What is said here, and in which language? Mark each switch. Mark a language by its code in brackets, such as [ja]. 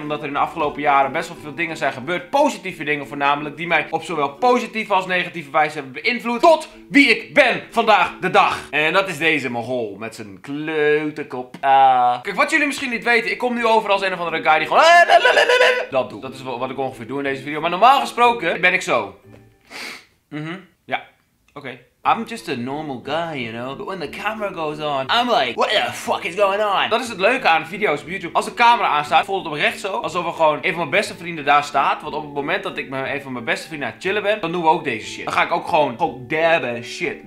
[nl] Omdat er in de afgelopen jaren best wel veel dingen zijn gebeurd. Positieve dingen voornamelijk, die mij op zowel positief als negatieve wijze hebben beïnvloed tot wie ik ben vandaag de dag. En dat is deze mogol met zijn klote kop. Kijk, wat jullie misschien niet weten, ik kom nu over als een of andere guy die gewoon dat doet. Dat is wat ik ongeveer doe in deze video. Maar normaal gesproken ben ik zo. Ja, oké. [en] I'm just a normal guy, you know. But when the camera goes on, I'm like, what the fuck is going on? [nl] Dat is het leuke aan video's op YouTube. Als de camera aanstaat, voelt het oprecht zo. Alsof er gewoon een van mijn beste vrienden daar staat. Want op het moment dat ik met een van mijn beste vrienden aan het chillen ben, dan doen we ook deze shit. Dan ga ik ook gewoon, dabben en shit.